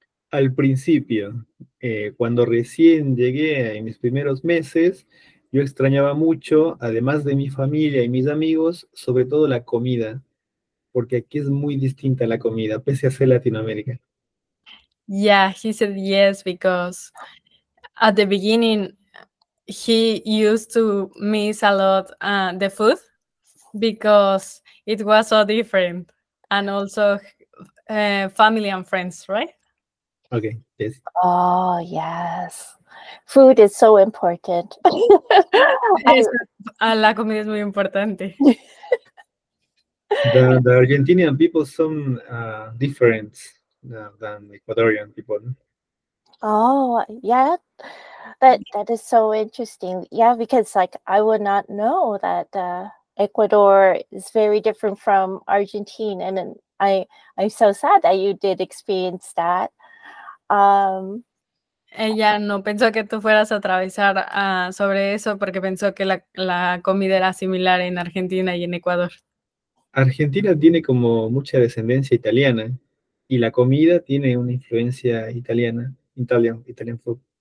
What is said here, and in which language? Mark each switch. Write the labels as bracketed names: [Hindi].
[Spanish] Al principio, cuando recién llegué en mis primeros meses, yo extrañaba mucho, además de mi familia y mis amigos, sobre todo la comida, porque aquí es muy distinta la comida, pese a ser Latinoamérica. [English] Yeah, he said yes, because at the beginning, he used to miss a lot the food, because it was so different, and also family and friends, right? Okay, yes. Oh, yes. Food is so important. [Spanish] La comida es muy importante. [English] The Argentinian people some different than Ecuadorian people. Oh, yeah. That is so interesting. Yeah, because like I would not know that Ecuador is very different from Argentina, and I'm so sad that you did experience that. [Spanish] Ella no pensó que tú fueras a atravesar sobre eso porque pensó que la comida era similar en Argentina y en Ecuador. Argentina tiene como mucha descendencia italiana y la comida tiene una influencia italiana, [English] Italian food.